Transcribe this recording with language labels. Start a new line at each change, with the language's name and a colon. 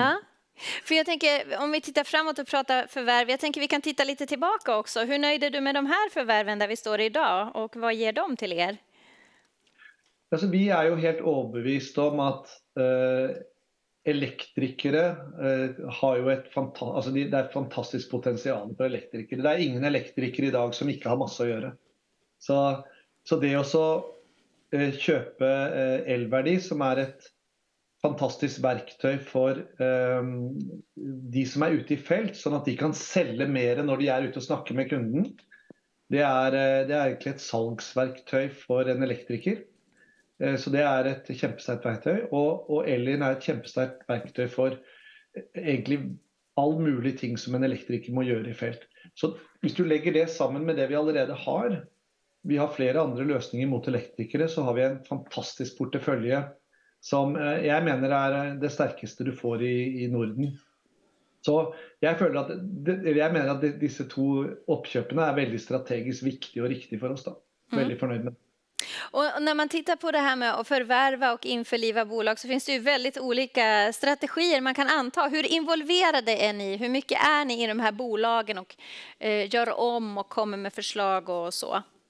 Swedish: Ja, för jag tänker, om vi tittar framåt och pratar förvärv, jag tänker vi kan titta lite tillbaka också. Hur nöjd är du med de här förvärven där vi står idag? Och vad ger de till er? Alltså, vi är ju helt överbevist om att
Norwegian: elektrikere har jo et fantastisk, altså det er fantastisk potensial for elektrikere. Det er ingen elektrikere i dag som ikke har masse å gjøre. Så det å så kjøpe Elverdi, som er et fantastisk verktøy for de som er ute i felt, sånn at de kan selge mer når de er ute og snakker med kunden, det er egentlig et salgsverktøy for en elektriker. Så det er et kjempestert verktøy, og Elin er et kjempestert verktøy for egentlig all mulig ting som en elektriker må gjøre i felt. Så hvis du legger det sammen med det vi allerede har, vi har flere andre løsninger mot elektrikere, så har vi en fantastisk portefølje som jeg mener er det sterkeste du får i Norden. Så jeg mener at disse to oppkjøpene er veldig strategisk viktig og riktig for oss da. Veldig fornøyd med det.
Swedish: Och när man tittar på det här med att förvärva och införliva bolag, så finns det ju väldigt olika strategier man kan anta. Hur involverade är ni? Hur mycket är ni i de här bolagen och gör om och kommer med förslag och så?